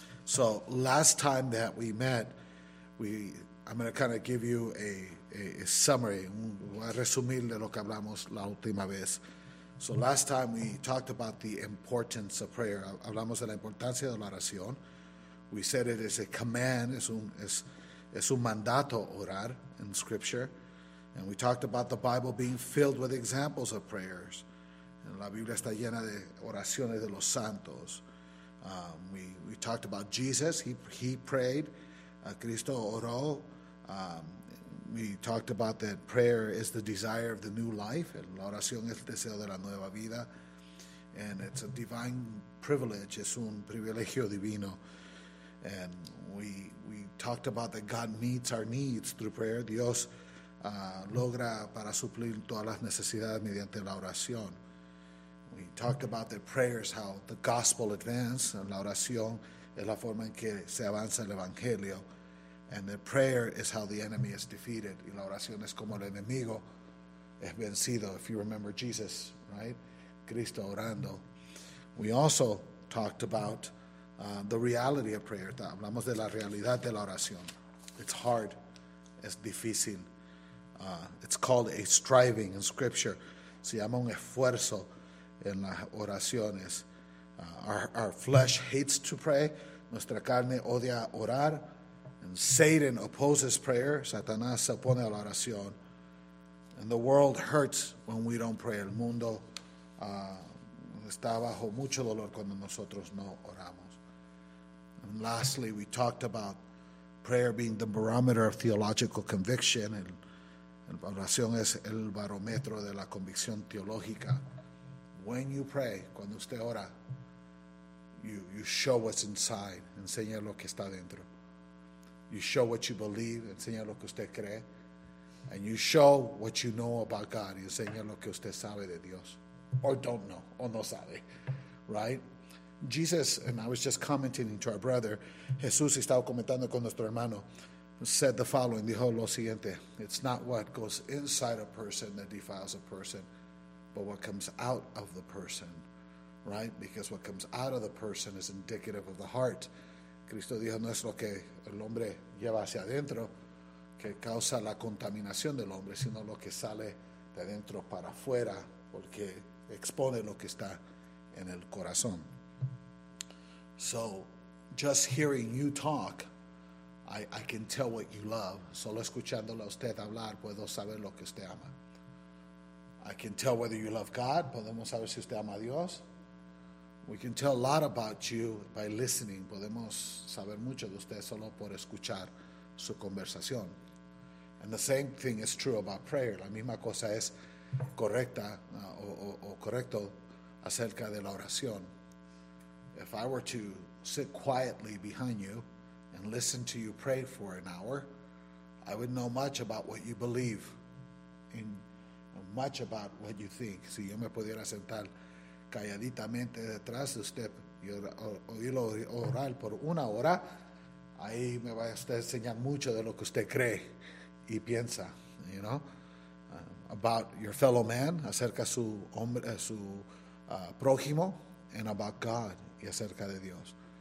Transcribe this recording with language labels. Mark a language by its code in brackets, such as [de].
[en] So last time that we met, I'm going to kind of give you a summary. [es] Voy a resumir de lo que hablamos la última vez. [en] So last time we talked about the importance of prayer. [es] Hablamos de la importancia de la oración. [en] We said it is a command. [es] Es un mandato orar [en] in Scripture. And we talked about the Bible being filled with examples of prayers. [es] And la Biblia está llena de oraciones de los santos. [en] We talked about Jesus. He prayed. [es] Cristo oró. [en] We talked about that prayer is the desire of the new life. [es] La oración es el deseo de la nueva vida. [en] And it's a divine privilege. [es] Es un privilegio divino. [en] And we talked about that God meets our needs through prayer. [es] Dios logra para suplir todas las necesidades mediante la oración. [en] We talked about the prayers, how the gospel advances. [es] La oración es la forma en que se avanza el evangelio. [en] And the prayer is how the enemy is defeated. [es] Y la oración es como el enemigo es vencido. [en] If you remember Jesus, right? [es] Cristo orando. [en] We also talked about the reality of prayer. [es] Hablamos de la realidad de la oración. [en] It's hard. [es] Es difícil. [en] It's called a striving in Scripture. [es] Se llama un esfuerzo en las oraciones. [en] Our flesh hates to pray. [es] Nuestra carne odia orar. [en] And Satan opposes prayer. [es] Satanás se opone a la oración. [en] And the world hurts when we don't pray. [es] El mundo está bajo mucho dolor cuando nosotros no oramos. [en] And lastly, we talked about prayer being the barometer of theological conviction. [es] La oración es el barómetro de la convicción teológica. [en] When you pray, [es] cuando usted ora, [en] you show what's inside. [es] Enseña lo que está dentro. [en] You show what you believe. [es] Enseña lo que usted cree. [en] And you show what you know about God. [es] Enseña lo que usted sabe de Dios. [en] Or don't know. [es] O no sabe. Right? [en] Jesus, and I was just commenting to our brother, [es] Jesús estaba comentando con nuestro hermano, [en] said the following. [es] Dijo lo siguiente. [en] It's not what goes inside a person that defiles a person, but what comes out of the person, right? Because what comes out of the person is indicative of the heart. [es] Cristo dijo, no es lo que el hombre lleva hacia adentro que causa la contaminación del hombre, sino lo que sale de adentro para afuera, porque expone lo que está en el corazón. [en] So, just hearing you talk, I can tell what you love. [es] Solo escuchándolo a usted hablar, puedo saber lo que usted ama. [en] I can tell whether you love God. [es] Podemos saber si usted ama a Dios. [en] We can tell a lot about you by listening. [es] Podemos saber mucho de usted solo por escuchar su conversación. [en] And the same thing is true about prayer. [es] La misma cosa es correcta o correcto acerca de la oración. [en] If I were to sit quietly behind you and listen to you pray for an hour, I would know much about what you believe in, much about what you think. [es] Si yo me pudiera sentar calladitamente detrás de usted y oírlo orar por una hora, ahí me va a usted enseñar mucho de lo que usted cree y piensa, [en] you know, about your fellow man, [es] acerca su hombre, su prójimo, [en] and about God [es] y acerca de Dios.